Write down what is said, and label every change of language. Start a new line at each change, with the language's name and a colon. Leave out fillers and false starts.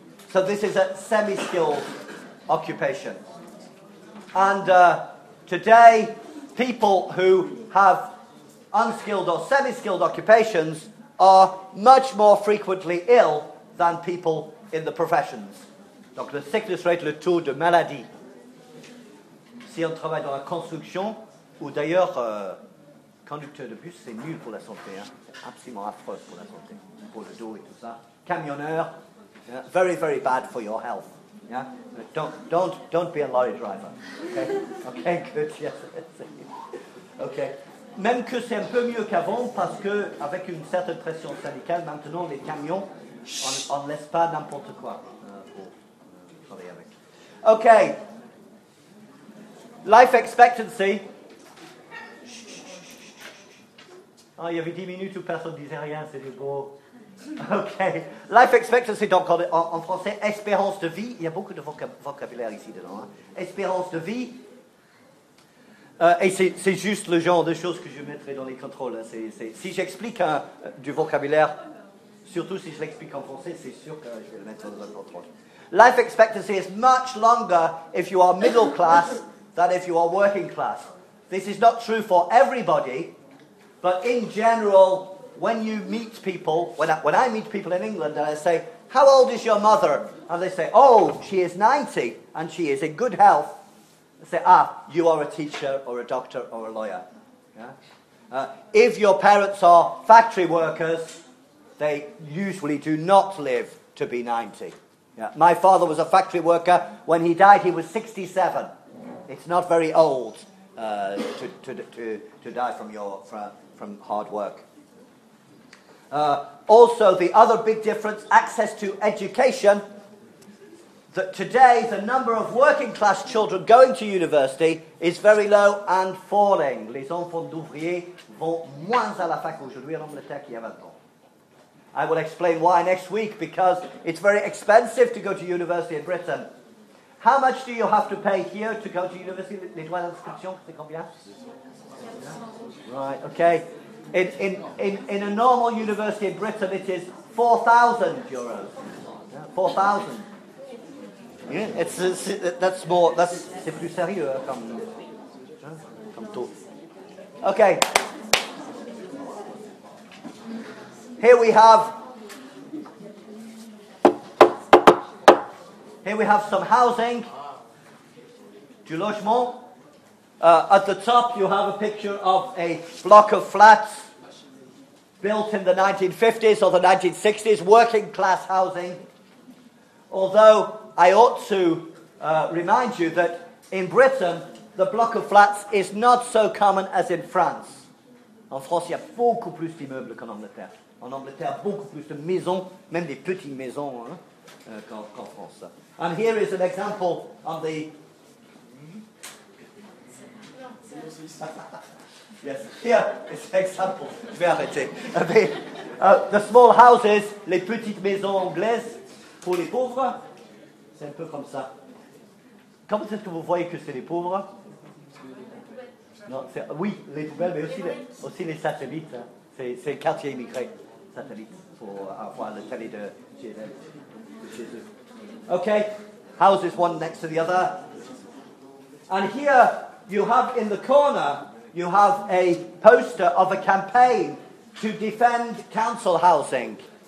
English: So this is a semi-skilled occupation. And today, people who have unskilled or semi-skilled occupations are much more frequently ill than people in the professions.
French: Donc le sickness rate, le taux de maladie. Si on travaille dans la construction, ou d'ailleurs, conducteur de bus, c'est nul pour la santé. Hein. C'est absolument affreux pour la santé, pour le dos et tout ça.
English: Camionneur, yeah. Very, very bad for your health. Yeah? Don't be a lorry driver. Okay, good. Yes. Okay.
French: Même que c'est un peu mieux qu'avant, parce que avec une certaine pression syndicale, maintenant les camions, on ne laisse pas n'importe quoi pour travailler avec. Ok.
English: Life expectancy.
French: Oh, il y avait 10 minutes où personne ne disait rien, c'était beau. Ok. Life expectancy, donc en français, espérance de vie. Il y a beaucoup de vocabulaire ici dedans. Hein. Espérance de vie. Et c'est juste le genre de choses que je mettrai dans les contrôles. Hein. Si j'explique hein, du vocabulaire, surtout si je l'explique en français, c'est sûr que je vais le mettre dans le contrôle.
English: Life expectancy is much longer if you are middle class than if you are working class. This is not true for everybody, but in general, when you meet people, when I meet people in England and I say, how old is your mother? And they say, oh, she is 90 and she is in good health. I say, ah, you are a teacher or a doctor or a lawyer. Yeah? If your parents are factory workers, they usually do not live to be 90. Yeah. My father was a factory worker. When he died, he was 67. It's not very old to die from hard work. Also, the other big difference, access to education. That today, the number of working class children going to university is very low and falling.
French: Les enfants d'ouvriers vont moins à la fac aujourd'hui en Angleterre qu'il y a 20 ans.
English: I will explain why next week, because it's very expensive to go to university in Britain. How much do you have to pay here to go to university?
French: Les droits d'inscription, c'est combien?
English: Right, okay. In a normal university in Britain, it is 4,000 euros. Yeah, 4,000.
French: Yeah, c'est plus sérieux comme taux. Okay.
English: Here we have some housing.
French: Du logement.
English: At the top, you have a picture of a block of flats built in the 1950s or the 1960s, working class housing. Although I ought to remind you that in Britain, the block of flats is not so common as in France.
French: En France, il y a beaucoup plus d'immeubles qu'en Angleterre. En Angleterre, beaucoup plus de maisons, même des petites maisons, hein, qu'en France.
English: And here is an example of the... Yes, here is an example.
French: Je vais arrêter.
English: The small houses,
French: les petites maisons anglaises pour les pauvres... C'est un peu comme ça. Comment est-ce que vous voyez que c'est les pauvres? Non, c'est, oui, les poubelles, mais aussi les satellites. Hein. C'est le quartier immigré, satellite, pour avoir la télé de chez eux.
English: OK, houses one next to the other. And here, you have in the corner, you have a poster of a campaign to defend council housing.